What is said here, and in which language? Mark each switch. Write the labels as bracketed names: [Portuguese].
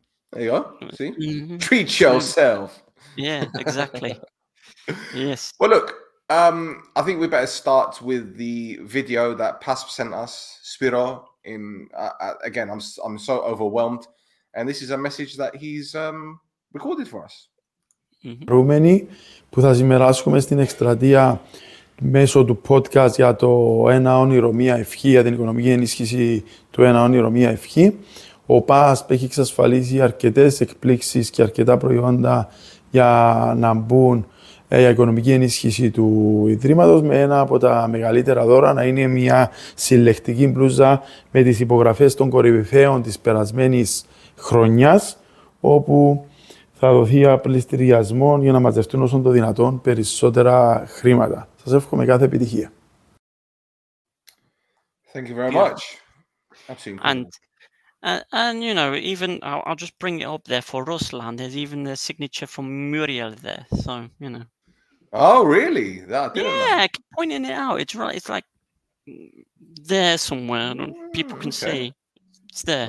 [English] There you are. See? Mm-hmm. Treat yourself. Yeah, exactly. Yes. Well, look, I think we better start with the video that PASP sent us, Spiro. Again, I'm so overwhelmed. And this is a message that he's recorded for us. [Greek] Χαρούμενοι που θα συμμεράσχουμε στην εκστρατεία μέσω του podcast για το Ένα Όνειρο Μία Ευχή, για την οικονομική ενίσχυση του Ένα Όνειρο Μία Ευχή. Ο PASP έχει εξασφαλίσει αρκετές εκπλήξεις και αρκετά προϊόντα για να μπουν για οικονομική ενίσχυση του Ιδρύματος, με ένα από τα μεγαλύτερα δώρα να είναι μια συλλεκτική μπλούζα με τις υπογραφές των κορυφαίων της περασμένης χρονιάς, όπου θα δοθεί απληστηριασμό για να μαζευτούν όσο το δυνατόν περισσότερα χρήματα. Σας εύχομαι κάθε επιτυχία. [English] Thank you very much. Absolutely. And you know, even I'll just bring it up there for Ruslan. There's even the signature from Muriel there. So, you know. Oh, really? I keep pointing it out. It's right. It's like there somewhere. People can see. It's there.